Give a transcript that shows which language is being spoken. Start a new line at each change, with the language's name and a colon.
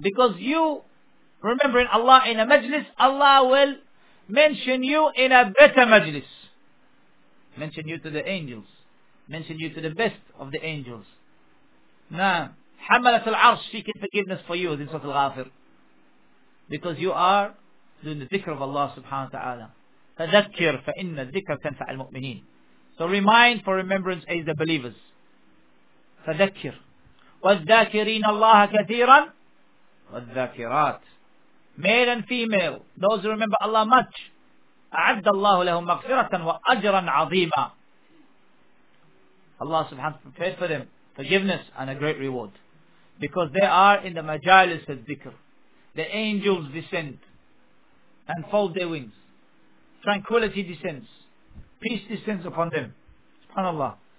English: Because you remembering Allah in a majlis, Allah will mention you in a better majlis, mention you to the angels, mention you to the best of the angels. Now
Arabic: حملت العرش,
English: she can forgiveness for you in Surat Al-Ghafir, because you are doing the dhikr of Allah subhanahu wa ta'ala.
Arabic: فذكر فإن الذكر تنفع المؤمنين.
English: So remind for remembrance aids the believers.
Arabic: فذكر والذاكرين الله كثيرا والذاكرات,
English: male and female, those who remember Allah much.
Arabic: أعد الله لهم مغفرة وأجرا عظيما.
English: Allah subhanahu wa ta'ala prepared for them forgiveness and a great reward, because they are in the majalis of dhikr. The angels descend and fold their wings. Tranquility descends. Peace descends upon them. SubhanAllah.